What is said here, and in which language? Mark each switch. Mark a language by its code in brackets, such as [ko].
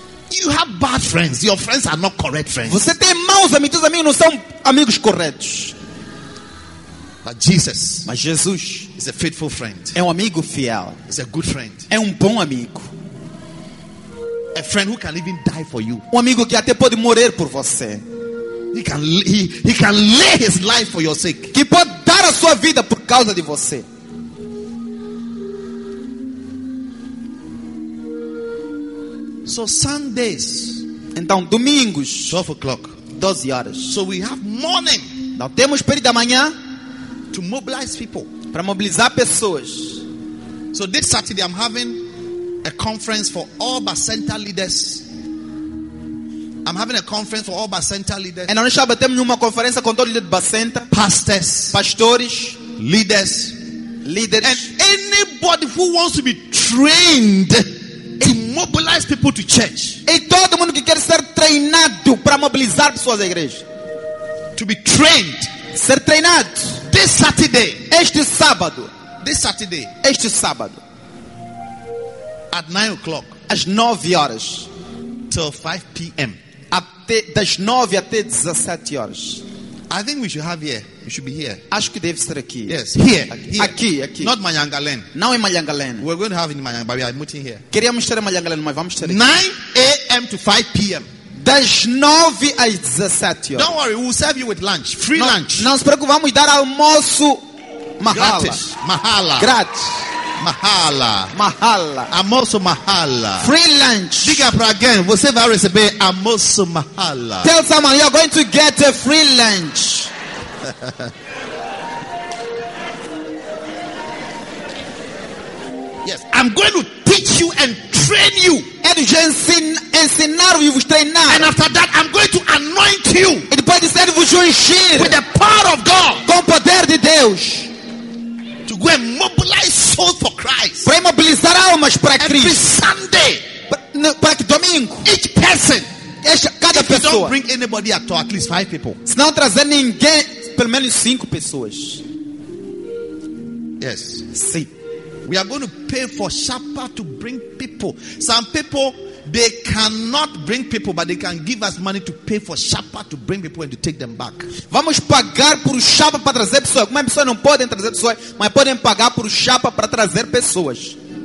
[en] You have bad friends. Your friends are not correct friends. [pt] Você tem maus amigos. Amigos não são amigos corretos. [en] But Jesus, [pt] mas Jesus, [en] is a faithful friend. [pt] É um amigo fiel. [en] Is a good friend. [pt] É um bom amigo. [en] A friend who can even die for you. [pt] Um amigo que até pode morrer por você. [en] He can lay his life for your sake. [pt] Que pode dar a sua vida por causa de você. [en] So Sundays, [pt] então domingos, [en] 12 o'clock, [pt] 12 horas. [en] So we have morning. [pt] Então temos período da manhã [en] to mobilize people. [pt] Para mobilizar pessoas. [en] So this Saturday I'm having a conference for all Bacenta leaders. I'm having a conference for all Bacenta leaders. [pt] E nós estamos tendo uma conferência com todos os líderes de Bacenta, [en] pastors, [pt] pastores, [en] leaders, leaders, and anybody who wants to be trained to mobilize people to church. [pt] E todo mundo que quer ser treinado para mobilizar pessoas à igreja. [en] To be trained, [pt] ser treinado. [en] This Saturday, [pt] este sábado. [en] This Saturday, [pt] este sábado. [en] At 9 o'clock. [pt] Às 9 horas. [en] Till 5 p.m. [pt] Até, das 9 até 17 horas. [en] I think we should have here. We should be here. [pt] Acho que deve ser aqui. [en] Yes, here. [pt] Aqui, aqui. Aqui. [en] Not Manyangalen. [pt] Não em Manyangalen. [en] We're going to have in Manyangalen, but we are meeting here. [pt] Queríamos ter em Manyangalen, mas vamos ter aqui. [en] 9 a.m. to 5 p.m. [pt] Das 9 às 17 horas. [en] Don't worry, we'll serve you with lunch. Free [pt] não, [en] lunch. [pt] Não se preocupe, vamos dar almoço. Mahala. Gratis. Mahala. Gratis. Mahala. Mahala. Amoso Mahala. [en] Free lunch. [pt] Diga para alguém, você vai receber Amoso Mahala. [en] Tell someone you are going to get a free lunch. Yes, I'm going to teach you and train you. [pt] É de ensinar e vos treinar. [en] And after that, I'm going to anoint you. [pt] E depois disso, eu vou encher [en] with the power of God. [pt] Com poder de Deus. [en] To go and mobilize souls for Christ. [pt] Para mobilizar almas para Cristo. [en] Every Sunday. [pt] Para que domingo. [en] Each person. [pt] Cada pessoa. [en] If you don't bring anybody at all, at least 5 people. [pt] Se não trazer ninguém, pelo menos 5 pessoas. [en] Yes. [pt] Sim. [en] We are going to pay for Shapa to bring people. Some people, they cannot bring people, but they can give us money to pay for Shapa to bring people and to take them back. [pt] Vamos pagar por Shapa para trazer pessoas. Algumas pessoas não podem trazer pessoas, mas podem pagar por Shapa para trazer pessoas.